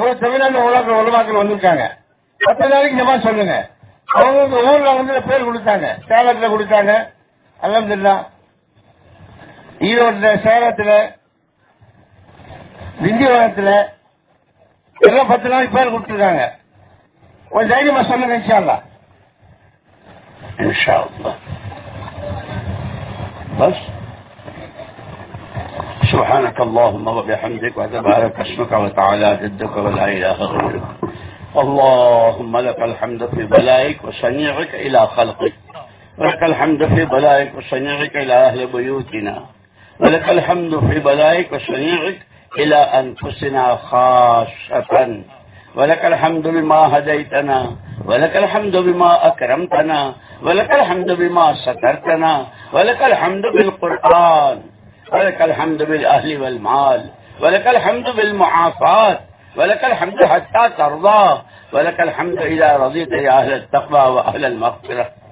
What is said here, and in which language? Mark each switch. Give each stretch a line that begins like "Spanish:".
Tamil: ஒரு தமிழ்நாட்டில் உலமாக்கள் வந்திருக்காங்க, 10 நாளைக்கு ஜமாத் சொல்லுங்க. அவங்க ஊர்ல வந்து பேர் கொடுத்தாங்க, சேலத்தில் கொடுத்தாங்க, அலம்துல்லா ஈரோட்டில் சேலத்தில் விந்திவனத்தில் எல்லாம் 10 நாளைக்கு பேர் கொடுத்துருக்காங்க. கொஞ்சம் தைரியமாக சொல்லுங்க இன்ஷா அல்லாஹ்.
Arabic: இன்ஷா அல்லாஹ் بس سبحانك اللهم وبحمدك وتبارك اسمك وتعالى جدك ولا اله غيرك. اللهم لك الحمد في بلائك وشنيعك إلى خلقك، ولك الحمد في بلائك وشنيعك إلى أهل بيوتنا، ولك الحمد في بلائك وشنيعك إلى أنفسنا خاصة، ولك الحمد بما هديتنا، ولك الحمد بما أكرمتنا، ولك الحمد بما سترتنا، ولك الحمد بالقرآن، ولك الحمد بالأهل والمال، ولك الحمد بالمعافاة، ولك الحمد حتى ترضى، ولك الحمد إذا رضيت يا أهل التقوى وأهل المغفرة.